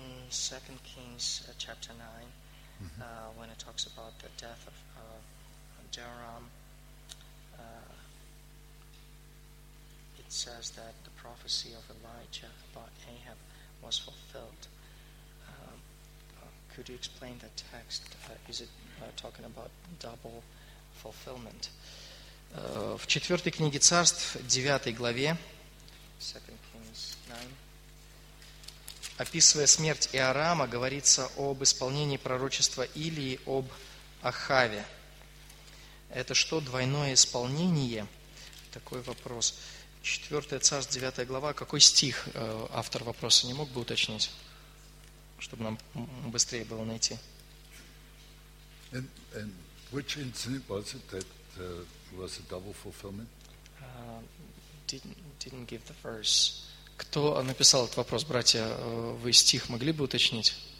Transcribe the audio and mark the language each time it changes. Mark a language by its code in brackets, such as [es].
[en] Second Kings chapter 9, when it talks about the death of Joram, it says that the prophecy of Elijah about Ahab was fulfilled. Could you explain the text? Is it talking about double fulfillment? [ru] В четвертой книге Царств, девятой главе, [en] Second Kings 9. [ru] Описывая смерть Иорама, говорится об исполнении пророчества Илии об Ахаве. Это что, двойное исполнение? Такой вопрос. 4 Царств, 9 глава. Какой стих автор вопроса не мог бы уточнить, чтобы нам быстрее было найти? [en] And which incident was it that was a double fulfillment? Didn't give the verse. [ru] Кто написал этот вопрос, братья? Вы стих могли бы уточнить?